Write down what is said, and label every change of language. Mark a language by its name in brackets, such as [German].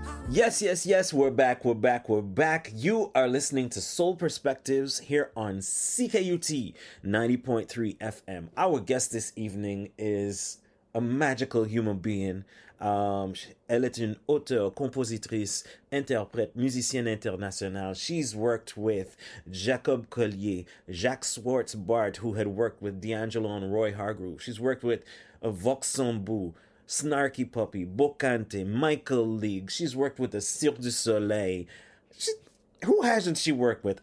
[English] Yes, yes, yes, we're back, we're back, we're back. You are listening to Soul Perspectives here on CKUT 90.3 FM. Our guest this evening is a magical human being. [French] Elle est une auteure, compositrice, interprète, musicienne internationale. [English] She's worked with Jacob Collier, Jacques Schwartz-Bart, who had worked with D'Angelo and Roy Hargrove. She's worked with Vox Sambu, Snarky Puppy, Bocante, Michael League. She's worked with the Cirque du Soleil. Who hasn't she worked with?